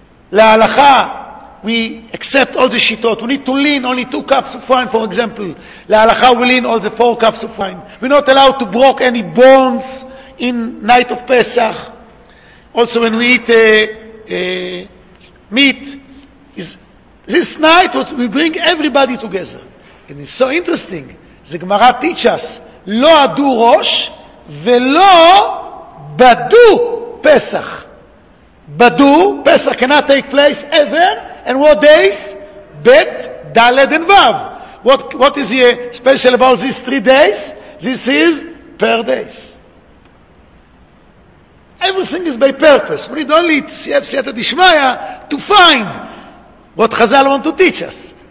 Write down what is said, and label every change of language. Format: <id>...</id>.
<en>Lehalacha, we accept all the shitot. We need to lean only two cups of wine, for example. Lehalacha, we lean all the four cups of wine. We're not allowed to broke any bones in night of Pesach. Also, when we eat meat, is this night what we bring everybody together. And it's so interesting. The Gemara teach us,</en> <he>לא עדו ראש ולא בדו פסח.</he> <en>בדו, פסח cannot take place ever. And what days? Bet, Daled, and Vav. What is here special about these 3 days? This is per days. Everything is by purpose. We need only Siyef Siyata Dishmaya to find what Chazal want to teach us.</en>